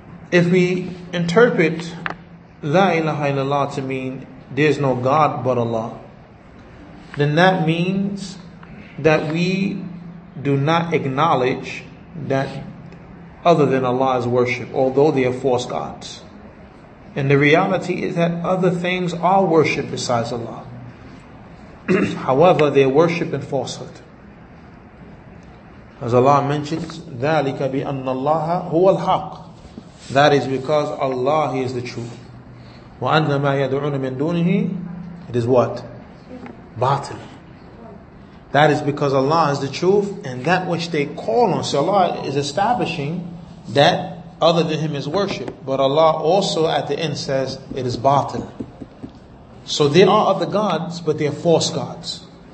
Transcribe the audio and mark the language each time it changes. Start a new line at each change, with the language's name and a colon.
English: If we interpret la ilaha illallah to mean there's no God but Allah, then that means that we do not acknowledge that other than Allah is worship, although they are false gods. And the reality is that other things are worship besides Allah. However, they are worship in falsehood. As Allah mentions,
Arabic: ذَلِكَ بِأَنَّ اللَّهَ هُوَ الْحَقِّ.
English: That is because Allah, He is the truth.
Arabic: وَأَنَّ مَا يَدْعُونَ مِن دُونِهِ,
English: it is what?
Arabic: Batil.
English: That is because Allah is the truth, and that which they call on. So Allah is establishing that other than Him is worship. But Allah also at the end says, it is batil. So there are other gods, but they are false gods.